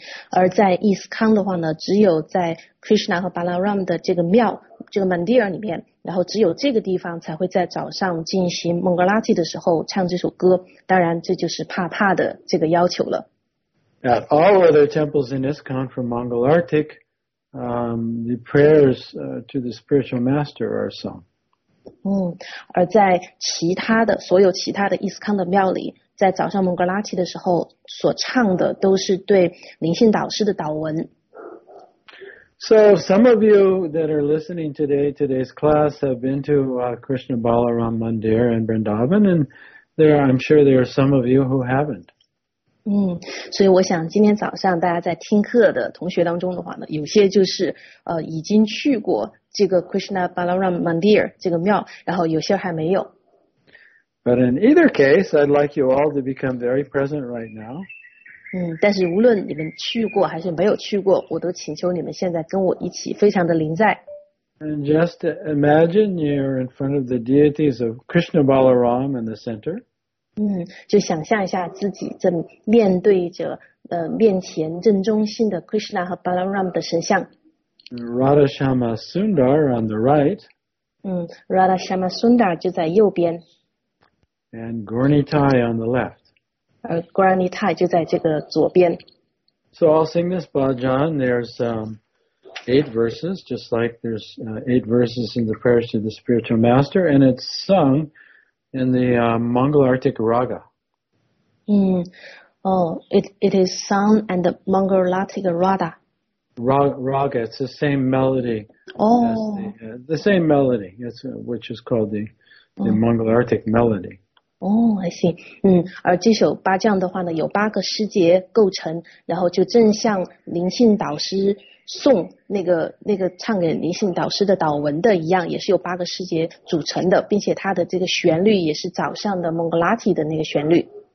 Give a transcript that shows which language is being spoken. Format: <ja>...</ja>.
<zh>而在 ISKCON 的话呢，只有在 Krishna 和 Balaram 的这个庙这个 Mandir 里面，然后只有这个地方才会在早上进行蒙格拉提的时候唱这首歌，当然这就是帕帕的这个要求了。</zh> <en>At all other temples in ISKCON from Mangalartik, the prayers to the spiritual master are sung.</en> <zh>而在其他的所有其他的 ISKCON 的庙里，在早上蒙格拉提的时候所唱的都是对灵性导师的导文。</zh> <en>So some of you that are listening today's class have been to Krishna Balaram Mandir in Vrindavan, and I'm sure there are some of you who haven't.</en> <zh>所以我想今天早上大家在听课的同学当中的话呢，有些就是已经去过这个 Krishna Balaram Mandir 这个庙，然后有些还没有。</zh> <en>But in either case, I'd like you all to become very present right now.</en> <zh>但是无论你们去过还是没有去过，我都请求你们现在跟我一起非常的临在。</zh> <en>And just imagine you're in front of the deities of Krishna Balaram in the center.</en> <zh>就想象一下自己正面对着面前正中心的 Krishna 和 Balaram 的神像。</zh> <en>Radha Shyama Sundar on the right.</en> <zh>Radha Shyama Sundar 就在右边。</zh> <en>And Gornitai on the left.</en> <zh>Gornitai 就在这个左边。</zh> <en>So I'll sing this bhajan. There's eight verses, just like there's eight verses in the prayers to the spiritual master, and it's sung in the Mangalartic Raga. It is sung in the Mangalartic Raga. Raga, it's the same melody. The same melody, which is called the Mangalartic melody. I see.</en> <zh>而这首八将的话呢，有八个诗节构成，然后就正像灵性导师送那个唱给灵性导师的导文的一样，也是由八个诗节组成的，并且它的这个旋律也是早上的蒙格拉提的那个旋律。</zh>